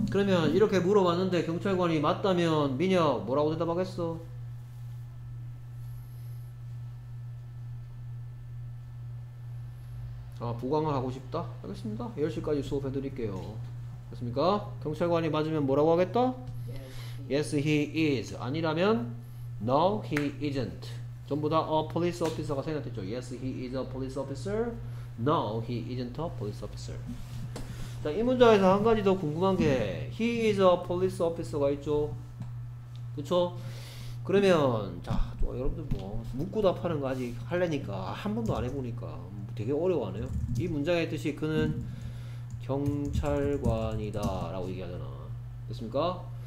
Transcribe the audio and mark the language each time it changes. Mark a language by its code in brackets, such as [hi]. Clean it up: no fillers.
[ko] 그러면 이렇게 물어봤는데 경찰관이 맞다면 민혁 뭐라고 대답하겠어? 아, 부강을 하고 싶다? 알겠습니다. 10시까지 수업해드릴게요. 됐습니까? 경찰관이 맞으면 뭐라고 하겠다? [en] Yes, he is. [ko] 아니라면 [en] No, he isn't. [ko] 전부 다 [en] a police officer [ko] 가 생각됐죠. [en] Yes, he is a police officer. No, he isn't a police officer. [ko] 자, 이 문장에서 한 가지 더 궁금한 게 [en] He is a police officer [ko] 가 있죠. 그쵸? 그러면 자, 또 여러분들 뭐 묻고 답하는 거 아직 할래니까 한 번도 안 해보니까 되게 어려워하네요. 이 문장의 뜻이 그는 경찰관이다 라고 얘기하잖아. 됐습니까?